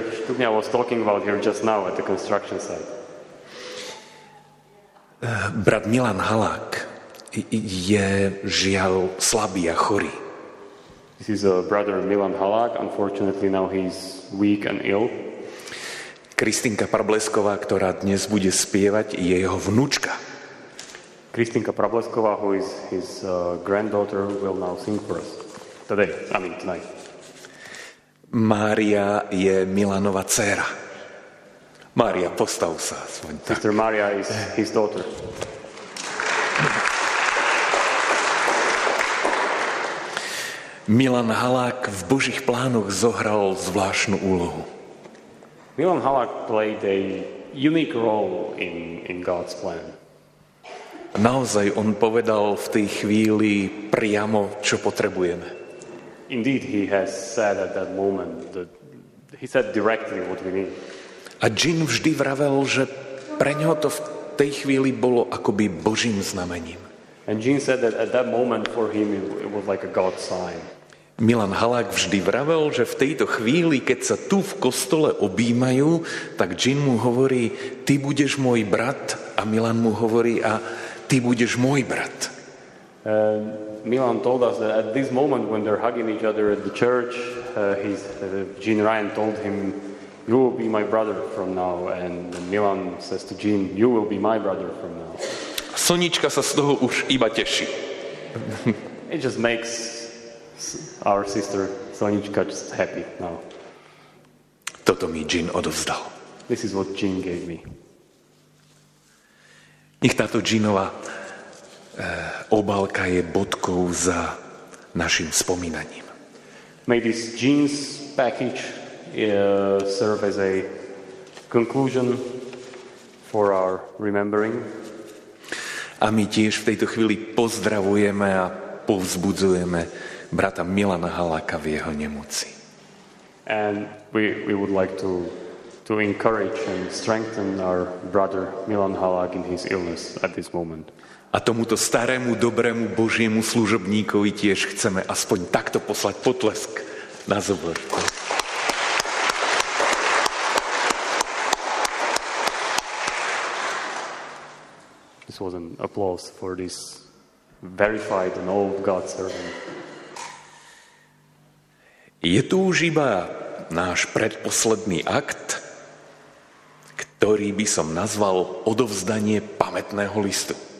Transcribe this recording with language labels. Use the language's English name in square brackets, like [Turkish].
[English] Štubňa was talking about here just now at the construction site. [Slovak] Brat Milan Halák je žiaľ slabý a chorý. [English] This is brother Milan Halák. Unfortunately now he's weak and ill. [Slovak] Kristinka Prablesková, ktorá dnes bude spievať, je jeho vnúčka. [English] Kristinka Prablesková, who is his granddaughter, will now sing for us. Today, I mean tonight. [Slovak] Mária je Milanova dcéra. Mária, postav sa aspoň tak. [English] Sister Mária is his daughter. [Slovak] Milan Halák v Božích plánoch zohral zvláštnu úlohu. [English] Milan Halák played a unique role in God's plan. [Slovak] Naozaj on povedal v tej chvíli priamo, čo potrebujeme. [English] Indeed, he has said at that moment that he said directly what we need. [Slovak] A Gene vždy vravel, že pre ňoho to v tej chvíli bolo akoby Božím znamením. [English] And Gene said that at that moment for him it was like a God sign. [Slovak] Milan Halák vždy vravel, že v tejto chvíli, keď sa tu v kostole objímajú, tak Gene mu hovorí, ty budeš môj brat, a Milan mu hovorí, a ty budeš môj brat. [English] Milan told us that at this moment when they're hugging each other at the church, Gene Ryan told him, you will be my brother from now. And Milan says to Gene, you will be my brother from now. [Slovak] Sonička sa z toho už iba teší. [English] It just makes our sister Sonička just happy now. [Slovak] Toto mi Gene odovzdal. [English] This is what Gene gave me. [Slovak] Nech táto Ginova obálka je bodkou za našim spomínaním. [English] May this jeans package serve as a conclusion for our remembering. [Slovak] A my tiež v tejto chvíli pozdravujeme a povzbudzujeme brata Milana Haláka v jeho nemoci. [English] And we would like to encourage and strengthen our brother Milan Halák in his illness at this moment. [Slovak] A tomuto starému, dobrému, Božiemu služobníkovi tiež chceme aspoň takto poslať potlesk na zobor. [English] This was an applause for this verified and old God servant. [Slovak] Je tu už iba náš predposledný akt, ktorý by som nazval odovzdanie pamätného listu.